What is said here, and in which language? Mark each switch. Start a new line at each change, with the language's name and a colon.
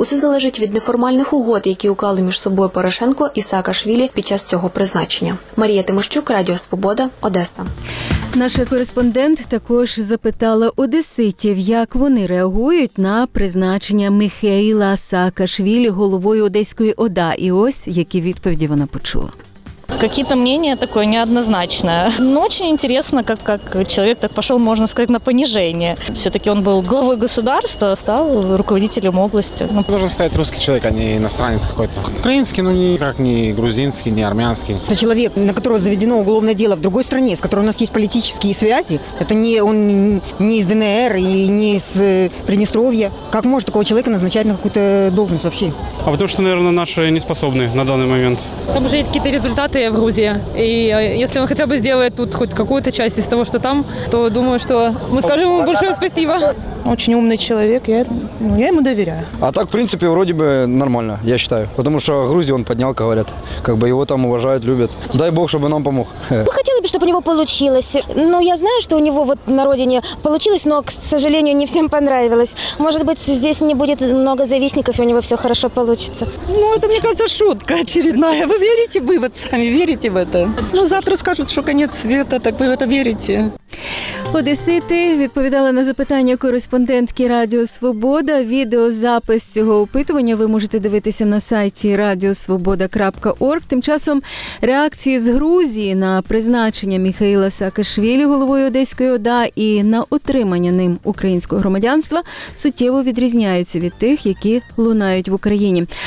Ukrainian: Усе залежить від неформальних угод, які уклали між собою Порошенко і Саакашвілі під час цього призначення. Марія Тимощук, Радіо Свобода, Одеса. Наша кореспондент також запитала одеситів, як вони реагують на призначення Михаїла Саакашвілі головою Одеської ОДА. І ось, які відповіді вона почула.
Russian: Какие-то мнения такое неоднозначное. Но очень интересно, как человек так пошел, можно сказать, на понижение. Все-таки он был главой государства, стал руководителем области. Должен стать русский человек, а не иностранец какой-то. Украинский, но никак не грузинский, не армянский. Это человек, на которого заведено уголовное дело в другой стране, с которой у нас есть политические связи. Это не он не из ДНР и не из Приднестровья. Как может такого человека назначать на какую-то должность вообще? А потому что, наверное, наши не способны на данный момент. Там уже есть какие-то результаты. В Грузии. И если он хотя бы сделает тут хоть какую-то часть из того, что там, то думаю, что мы скажем ему большое спасибо. Очень умный человек, я ему доверяю. А так, в принципе, вроде бы нормально, я считаю. Потому что Грузию он поднял, говорят. Как бы его там уважают, любят. Дай бог, чтобы нам помог. Вы хотели бы, чтобы у него получилось. Но я знаю, что у него вот на родине получилось, но, к сожалению, не всем понравилось. Может быть, здесь не будет много завистников, и у него все хорошо получится. Ну, это, мне кажется, шутка очередная. Вы верите в вывод?
Ukrainian: Сами вірите в це? Ну, завтра скажуть, що кінець світу, так ви в це вірите? Одесити відповідали на запитання кореспондентки Радіо Свобода. Відеозапис цього опитування ви можете дивитися на сайті radiosvoboda.org. Тим часом реакції з Грузії на призначення Михаїла Саакашвілі головою Одеської ОДА і на отримання ним українського громадянства суттєво відрізняються від тих, які лунають в Україні.